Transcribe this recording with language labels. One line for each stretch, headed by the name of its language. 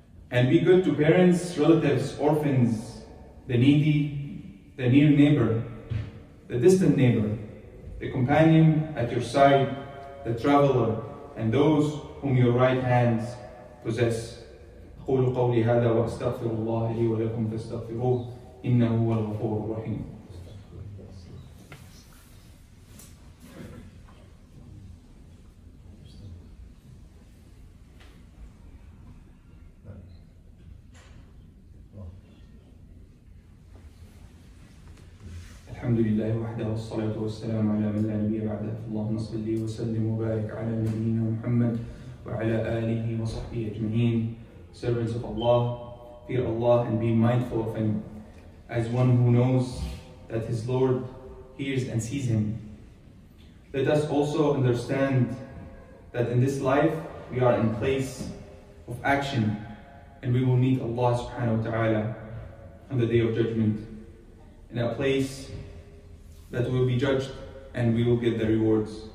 English: And be good to parents, relatives, orphans, the needy, the near neighbor, the distant neighbor, the companion at your side, the traveler, and those whom your right hands possess.
Arabic: قولوا قولي هذا واستغفر الله لي ولكم فاستغفروه إنه هو الغفور الرحيم. الحمد لله وحده والصلاة والسلام على من لا نبي بعده. اللهم صل وسلم وبارك على نبينا محمد وعلى آله وصحبه أجمعين.
English: Servants of Allah, fear Allah and be mindful of Him as one who knows that his Lord hears and sees him. Let us also understand that in this life we are in place of action and we will meet Allah subhanahu wa ta'ala on the Day of Judgment in a place that will be judged and we will get the rewards.